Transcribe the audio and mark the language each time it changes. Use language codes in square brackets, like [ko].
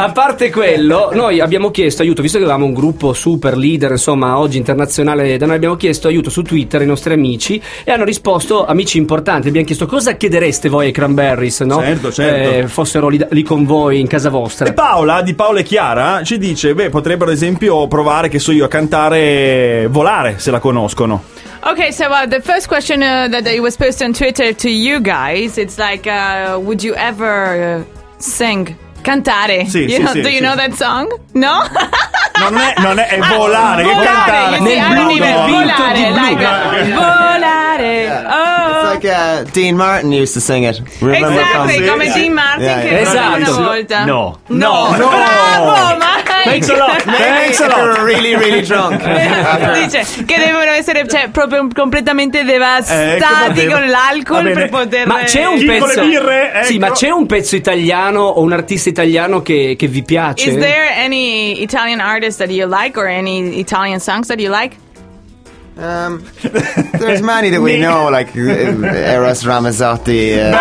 [it] a parte quello, noi abbiamo chiesto aiuto, visto che avevamo un gruppo super leader, insomma, oggi internazionale, da noi abbiamo chiesto aiuto su Twitter ai nostri amici e hanno risposto, amici importanti, abbiamo chiesto cosa chiedereste voi ai Cranberries, no? Certo. Fossero lì con voi in casa vostra. E Paola, di Paola e Chiara, ci dice, beh, potrebbero ad esempio provare, che so io, a cantare Volare, se la conoscono. [en] Okay, so the first question that it was posted on Twitter to you guys, it's like, would you ever sing, cantare? Do you know that song? No? [it] Non è volare, che cantare. Nel blu, nel vinto di blu. Volare. [en] Like Dean Martin used to sing it. Remember exactly, come Dean Martin, yeah. [it] Esatto. No. Bravo, ma... [en] Thanks a lot. You're really, really drunk. [it] Dice che devono essere, cioè, proprio completamente devastati con l'alcol per poter... Ma c'è un pezzo... Sì, ma c'è un pezzo italiano o un artista italiano che vi piace? [en] Is there any Italian artist that you like or any Italian songs that you like? There's many that we know, like Eros Ramazzotti.